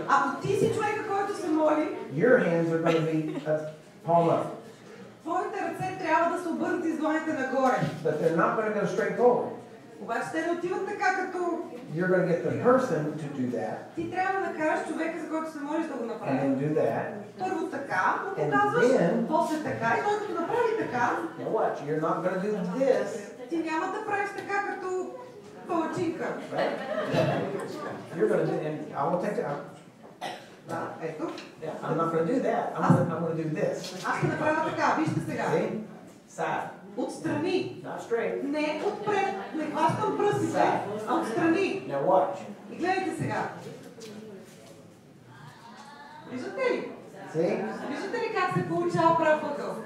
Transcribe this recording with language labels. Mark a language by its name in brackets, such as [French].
[Bulgarian] ако ти си човека, който се моли, [English] your hands are going to be palm up. [Bulgarian] Твоите ръце трябва да се обърнат и дланите нагоре. [English] But they're not going to go straight forward. [Bulgarian] Обаче те не отиват така като. [English] You're going to get the person to do that. [Bulgarian] Ти трябва да накараш човека, за който се молиш, да го направи. [English] And then do that. [Bulgarian] Първо така, показваш, после така, и той като направи така. [English] Now watch, you're not going to do this. [Bulgarian] Ти няма да правиш така като. Паутинка. [English] You're gonna do, and I will take that. [Bulgarian] Ето. [English] Yeah, I'm not gonna do that. I'm gonna do this. [Bulgarian] Аз ще направя така, вижте сега. [English] See? Sad. [Bulgarian] Отстрани. [English] Not straight. [Bulgarian] Не отпред. Не хващам пръстите, а отстрани. [English] Now watch. [Bulgarian] И гледайте сега. Виждате ли? [English] See? [Bulgarian] Виждате ли как се получава прав ъгъл?